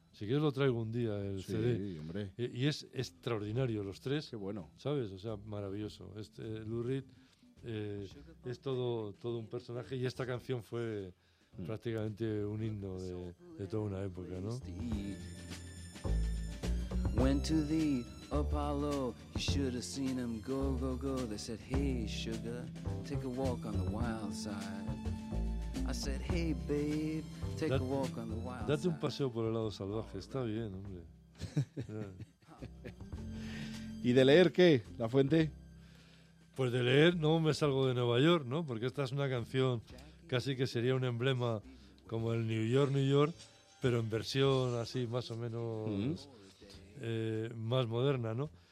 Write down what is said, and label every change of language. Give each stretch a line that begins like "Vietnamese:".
Spanish: Si quieres lo traigo un día, el sí, CD. Sí, hombre. Y es extraordinario, los tres. Qué bueno. ¿Sabes? O sea, maravilloso. Este, Lou Reed es todo un personaje, y esta canción fue prácticamente un himno de toda una época, ¿no?
English: Went to the Apollo, you should have seen him go, go, go. They said, hey, sugar, take a walk on the wild side. I said, hey, babe, take a walk on the wild side.
Spanish: Date un paseo por el lado salvaje, está bien, hombre. ¿Y de leer qué, La Fuente? Pues de leer, no me salgo de Nueva York, ¿no? Porque esta es una canción casi que sería un emblema como el New York, New York, pero en versión así más o menos más moderna, ¿no?